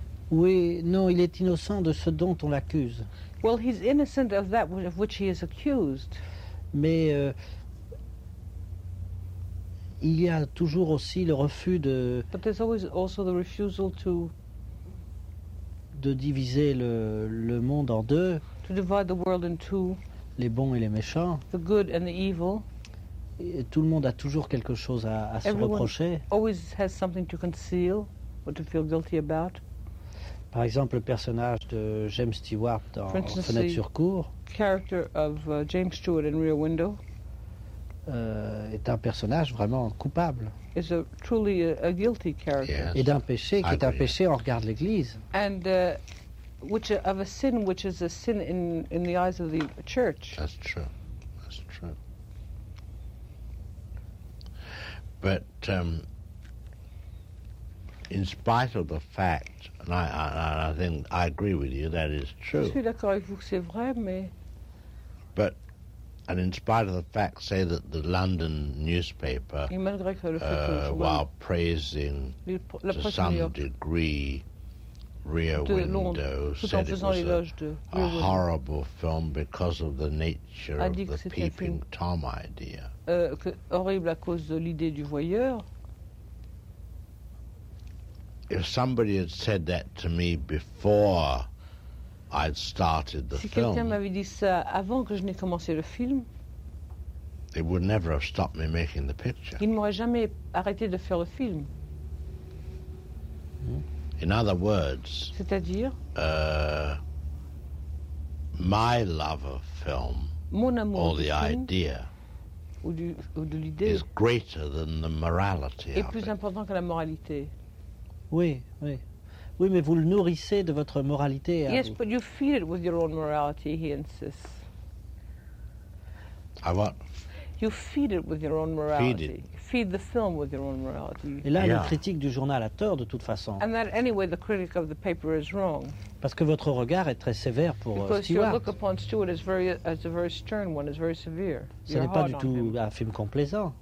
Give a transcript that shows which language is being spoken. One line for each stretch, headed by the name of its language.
French: Oui, non, il est innocent de ce dont on l'accuse.
English: Well, he's innocent of that of which he is accused.
French: Mais il y a toujours aussi le refus de.
English: But there's always also the refusal to.
French: De diviser le monde en deux.
English: To divide the world in two.
French: Les bons et les méchants.
English: The good and the evil.
French: Et tout le monde a toujours quelque chose à se reprocher.
English: Everyone always has something to conceal or to feel guilty about.
French: Par exemple, le personnage de James Stewart dans Fenêtre sur cour.
English: Character of James Stewart in Rear Window.
French: Est un personnage vraiment coupable.
English: Is a truly a guilty character. Yes.
French: Et d'un péché qui est un péché en regard de l'Église.
English: And which of a sin which is a sin in the eyes of the Church. That's true. That's true. But in spite of the fact. And I think I agree with you. That is true.
French: Je suis d'accord avec vous que c'est vrai, mais.
English: But, and in spite of the fact, say that the London newspaper,
French: et malgré que le
English: while praising to some degree, Rear Window said it was a horrible film because of the nature of the Peeping Tom idea.
French: Horrible à cause de l'idée du voyeur.
English: If somebody had said that to me before I'd started the film,
French: si quelqu'un m'avait dit ça avant que je n'ai commencé le film,
English: they would never have stopped me making the picture.
French: Il m'aurait jamais arrêté de faire le film.
English: In other words,
French: c'est-à-dire,
English: my love of film,
French: mon amour
English: or the idea,
French: ou de l'idée,
English: is greater than the morality.
French: Est plus important que la moralité. Oui, oui, oui, mais vous le nourrissez de votre moralité.
English: Yes,
French: vous.
English: But you feed it with your own morality. He insists. I what? You feed it with your own morality. Feed it. Feed the film with your own morality.
French: Et là, le critique du journal a tort de toute façon.
English: And that anyway, the critic of the paper is wrong.
French: Parce que votre regard est très sévère pour
English: Because Stewart. Because your look upon Stewart is very, as a very stern one, is very severe.
French: Ce n'est pas du tout un film complaisant.